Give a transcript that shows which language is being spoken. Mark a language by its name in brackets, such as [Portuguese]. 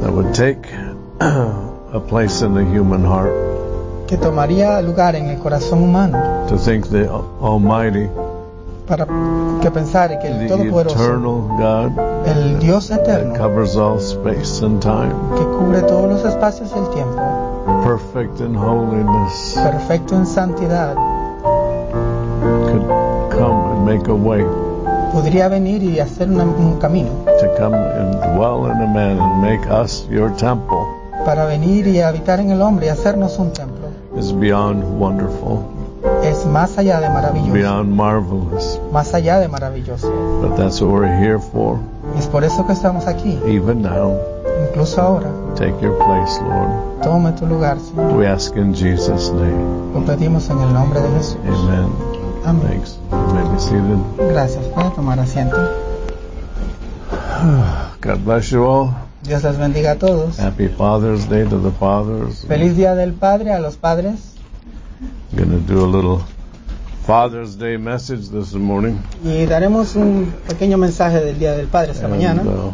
[English] That would take a place in the human heart. [Spanish] Que tomaría lugar en el corazón humano. [English] To think the Almighty. [Spanish] Para que pensar que el Todopoderoso, el Dios eterno, [English] that covers all space and time, [Spanish] que cubre todos los espacios y el tiempo, [English] perfect in holiness, [Spanish] perfecto en santidad, [English] could come and make a way, [Spanish] podría venir y hacer un camino, [English] to come and dwell in a man and make us your temple, [Spanish] para venir y habitar en el hombre y hacernos un templo, [English] is beyond wonderful. [Spanish] Es más allá de maravilloso. [English] Beyond marvelous. [Spanish] Más allá de maravilloso. [English] But that's what we're here for. [Spanish] Es por eso que estamos aquí. [English] Even now. [Spanish] Incluso ahora. [English] Take your place, Lord. [Spanish] Toma tu lugar, Señor. [English] We ask in Jesus' name. [Spanish] Lo pedimos en el nombre de Jesús. [English] Amen. [Spanish] Amén. [English] Thanks. You may be seated. [Spanish] Gracias. Puede tomar asiento. [English] God bless you all. [Spanish] Dios les bendiga a todos. [English] Happy Father's Day to the fathers. [Spanish] Feliz Día del Padre a los padres. [English] I'm going to do a little Father's Day message this morning. [Spanish] Y daremos un pequeño mensaje del Día del Padre esta mañana.